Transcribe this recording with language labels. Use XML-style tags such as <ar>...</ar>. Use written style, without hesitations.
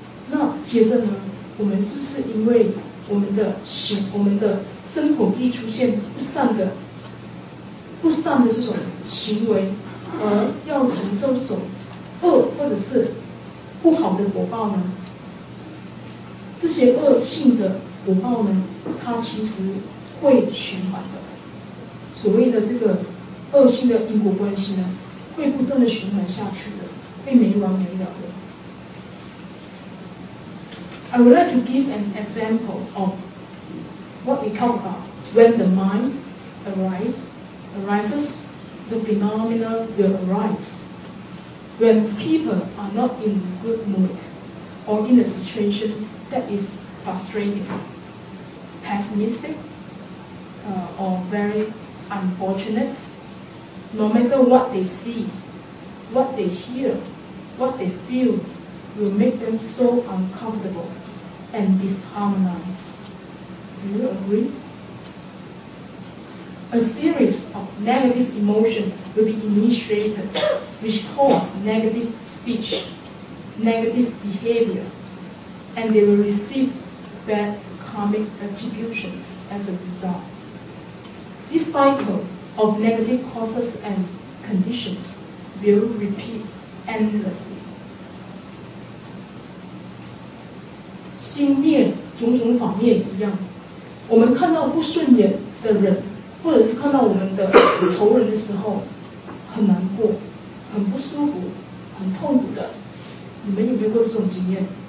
<zh>那接着呢，我们是不是因为我们的生活必出现不善的这种行为，而要承受这种恶或者是不好的果报呢？这些恶性的果报呢，它其实会循环的，所谓的这个恶性的因果关系呢，会不断的循环下去的，会没完没了的。</zh> <en>I would like to give an example of what we talk about. When the mind arises, the phenomena will arise. When people are not in good mood or in a situation that is frustrating,pessimistic, or very unfortunate, no matter what they see, what they hear, what they feel, will make them so uncomfortable and disharmonized. Do you agree? A series of negative emotions will be initiated, which cause negative speech, negative behavior, and they will receive badkarmic attributions as a result. This cycle of negative causes and conditions will repeat endlessly.</en> <zh>心念种种法念一样，我们看到不顺眼的人，或者是看到我们的仇人的时候，很难过，很不舒服，很痛苦的。你们有没有过这种经验？</zh>